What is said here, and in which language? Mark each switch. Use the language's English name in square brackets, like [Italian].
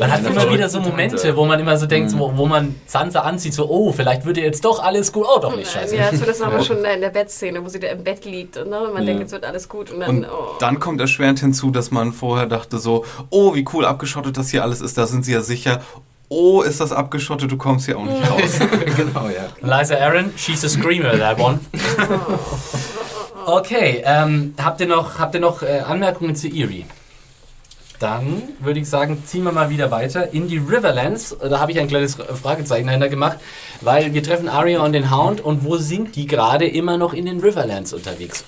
[German] Man hat immer wieder so Momente, wo man immer so denkt, wo man Sansa anzieht, so, oh, vielleicht wird ihr jetzt doch alles gut. Oh, doch nicht, scheiße. Ja, also das haben wir schon in der Bettszene, wo sie da im Bett liegt. Und man denkt, jetzt wird alles gut. Und dann, dann kommt erschwerend hinzu, dass man vorher dachte so, oh, wie cool abgeschottet das hier alles ist, da sind sie ja sicher. Oh, ist das abgeschottet, du kommst hier auch nicht raus. Genau, ja. [English] Liza Aaron, she's a screamer, that one. [German] Okay, habt ihr noch Anmerkungen zu Eerie? Dann würde ich sagen, ziehen wir mal wieder weiter in die Riverlands. Da habe ich ein kleines Fragezeichen dahinter gemacht, weil wir treffen Arya und den Hound. Und wo sind die gerade immer noch in den Riverlands unterwegs?